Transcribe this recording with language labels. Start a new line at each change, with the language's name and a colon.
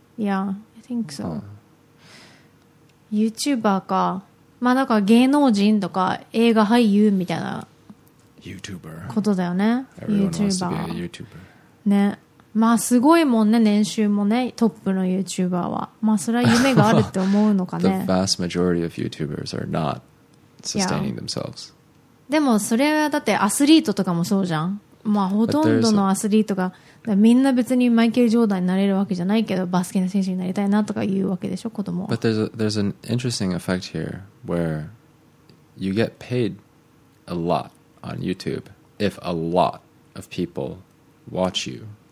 English: Yeah, I think so.、
Japanese: YouTuber か、まあなんか芸能人とか映画俳優みたいな。
English: YouTuber.
Japanese: ことだよね。
English: YouTuber. Everyone wants to be a YouTuber.
Japanese: ね。まあすごいもんね、年収もね、トップの YouTuber は。まあそれは夢があるって思うのかね。
English: The vast majority of YouTubers are not sustaining themselves.
Japanese: でもそれはだってアスリートとかもそうじゃん。まあほとんどのアスリートが、みんな別にマイケル・ジョーダンになれるわけじゃないけど、バスケの選手になりたいなとか言うわけでしょ、子供は。
English: But there's an interesting effect here where you get paid a lot. On YouTube, if a lot of people watch you,